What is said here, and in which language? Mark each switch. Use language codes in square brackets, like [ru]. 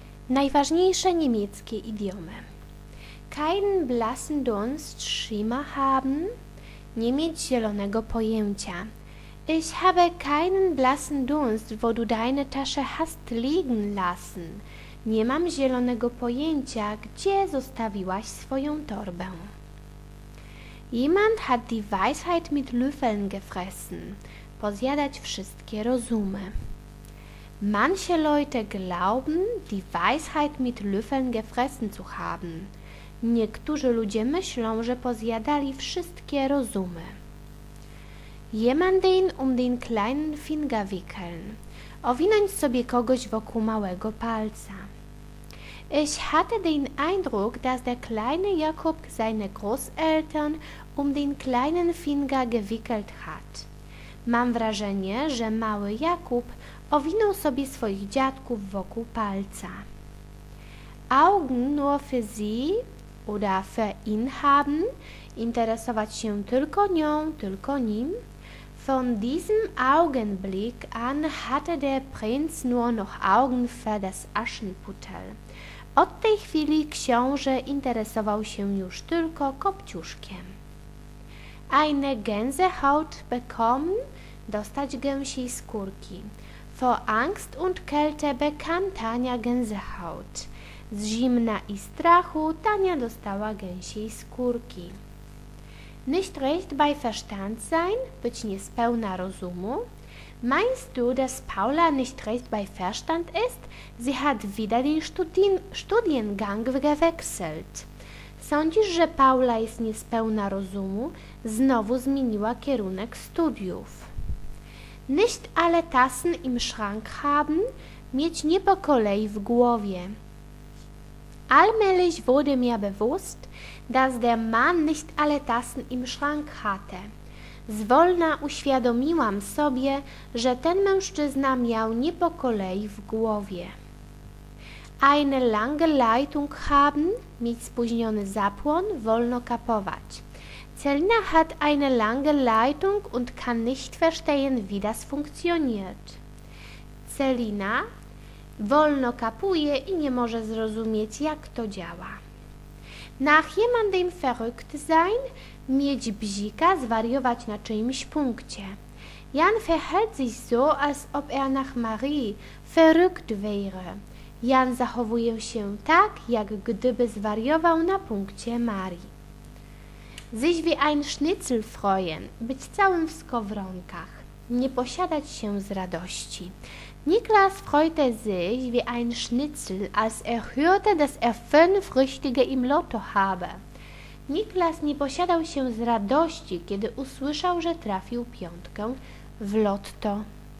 [pl] Najważniejsze niemieckie idiomy. [de] Keinen blassen Dunst schimmer haben. [pl] Nie mieć zielonego pojęcia. [de] Ich habe keinen blassen Dunst, wo du deine Tasche hast liegen lassen. [pl] Nie mam zielonego pojęcia, gdzie zostawiłaś swoją torbę. [de] Jemand hat die Weisheit mit Löffeln gefressen. [pl] Pozjadać wszystkie rozumy. [de] Manche Leute glauben, die Weisheit mit Löffeln gefressen zu haben. [pl] Niektórzy ludzie myślą, że pozjadali wszystkie rozumy. [de] Jemanden um den kleinen Finger wickeln. [pl] Owinąć sobie kogoś wokół małego palca. [de] Ich hatte den Eindruck, dass der kleine Jakob seine Großeltern um den kleinen Finger gewickelt hat. [pl] Mam wrażenie, że mały Jakub owinął sobie swoich dziadków wokół palca. [de] Augen nur für sie oder für ihn haben, [pl] interesować się tylko nią, tylko nim. [de] Von diesem Augenblick an hatte der Prinz nur noch Augen für das Aschenputtel. [pl] Od tej chwili książę interesował się już tylko kopciuszkiem. [de] Eine Gänsehaut bekommen, [pl] dostać gęsiej skórki. [de] Vor Angst und Kälte bekam Tania Gänsehaut. [pl] Z zimna i strachu Tania dostała gęsiej skórki. [de] Nicht recht bei Verstand sein, [pl] być niespełna rozumu. [de] Meinst du, dass Paula nicht recht bei Verstand ist? Sie hat wieder den Studiengang gewechselt. [pl] Sądzisz, że Paula jest niespełna rozumu? Znowu zmieniła kierunek studiów. [de] Nicht alle Tassen im Schrank haben, [pl] mieć nie po kolei w głowie. [de] Allmählich wurde mir bewusst, dass der Mann nicht alle Tassen im Schrank hatte. [pl] Zwolna uświadomiłam sobie, że ten mężczyzna miał nie po kolei w głowie. [de] Eine lange Leitung haben, [pl] mieć spóźniony zapłon, wolno kapować. [de] Celina hat eine lange Leitung und kann nicht verstehen, wie das funktioniert. [pl] Celina wolno kapuje i nie może zrozumieć, jak to działa. [de] Nach jemandem verrückt sein, [pl] mieć bzika, zwariować na czyimś punkcie. [de] Jan verhält sich so, als ob er nach Marie verrückt wäre. [pl] Jan zachowuje się tak, jak gdyby zwariował na punkcie Marii. [de] Sich wie ein Schnitzel freuen, [pl] być całym w skowronkach, nie posiadać się z radości. [de] Niklas freute sich wie ein Schnitzel, als er hörte, dass er fünf richtige im Lotto habe. [pl] Niklas nie posiadał się z radości, kiedy usłyszał, że trafił piątkę w lotto.